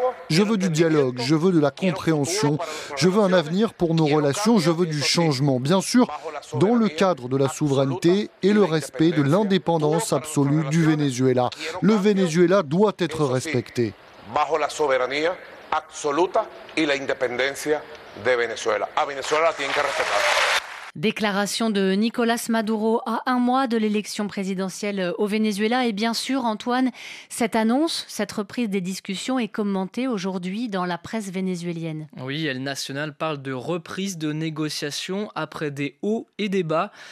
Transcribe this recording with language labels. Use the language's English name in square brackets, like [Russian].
[French] Je veux du dialogue, je veux de la compréhension, je veux un avenir pour nos relations, je veux du changement, bien sûr, dans le cadre de la souveraineté et le respect de l'indépendance absolue du Venezuela. Le Venezuela doit être respecté. [Spanish] Bajo la soberanía absoluta y la independencia de Venezuela. A Venezuela la tienen que respetar. [French] Déclaration de Nicolas Maduro à un mois de l'élection présidentielle au Venezuela. Et bien sûr, Antoine, cette annonce, cette reprise des discussions est commentée aujourd'hui dans la presse vénézuélienne. Oui, El Nacional parle de reprise de négociations après des hauts et des bas.